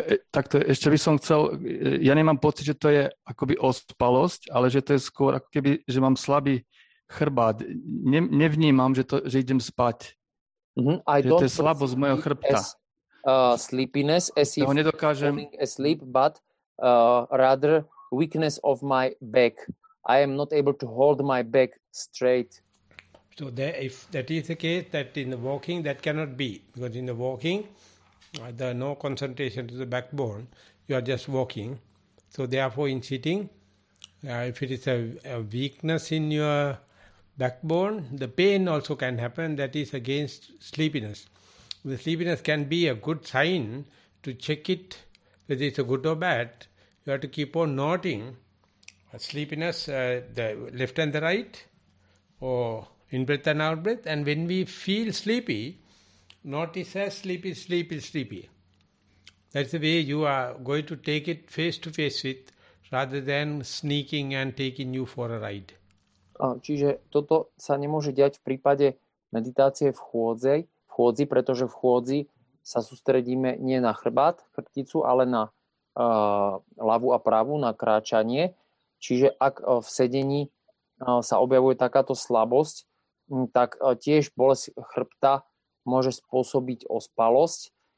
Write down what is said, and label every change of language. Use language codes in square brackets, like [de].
[sk] Takto ešte by som chcel, ja nemám pocit, že to je akoby ospalosť, ale že to je skôr ako keby, že mám slabý chrbát. Nevnímam, že idem spať. Mm-hmm. Že to je slabosť mojho chrbta. [en] Sleepiness, as if [sk] nedokážem... [en] falling asleep, but rather weakness of my back. I am not able to hold my back straight. So there, if that is the case, that in the walking, that cannot be. Because in the walking... there are no concentration to the backbone, you are just walking. So therefore in sitting, if it is a weakness in your backbone, the pain also can happen, that is against sleepiness. The sleepiness can be a good sign to check it, whether it's a good or bad. You have to keep on noting sleepiness, the left and the right, or in-breath and out-breath. And when we feel sleepy, notice as sleepy. That's the way you are going to take it face to face with, rather than sneaking and taking you for a ride. [sk] Čiže toto sa nemôže diať v prípade meditácie v chôdzi, pretože v chôdzi sa sústredíme nie na chrbát, chrbticu, ale na ľavú a pravú, na kráčanie. Čiže ak v sedení sa objavuje takáto slabosť, tak tiež bolesť chrbta môže spôsobiť ospalosť.